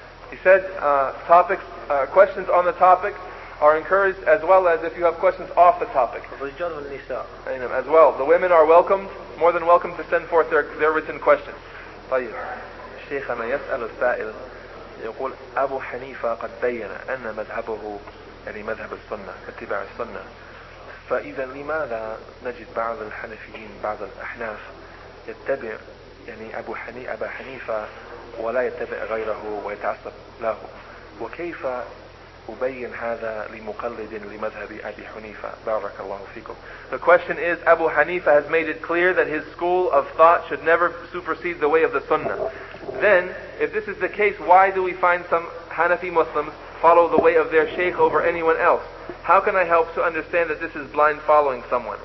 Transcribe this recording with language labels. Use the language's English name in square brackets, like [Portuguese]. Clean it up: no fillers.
[English] He said, questions on the topic are encouraged, as well as if you have questions off the topic. As well, the women are welcomed, more than welcome, to send forth their written questions. [Arabic] طيب شيخنا يسأل السائل يقول أبو حنيفة قد بين أن مذهبه يعني مذهب السنة اتباع السنة فإذا لماذا نجد بعض الحنفيين بعض الأحناف يتبع يعني أبو حنيفة ولا يتبع غيره ويتعصب له وكيف أبين هذا لمقلد لمذهب أبي حنيفة بارك الله فيكم. [English] The question is, Abu Hanifa has made it clear that his school of thought should never supersede the way of the Sunnah. Then, if this is the case, why do we find some Hanafi Muslims follow the way of their Shaykh over anyone else? How can I help to understand that this is blind following someone?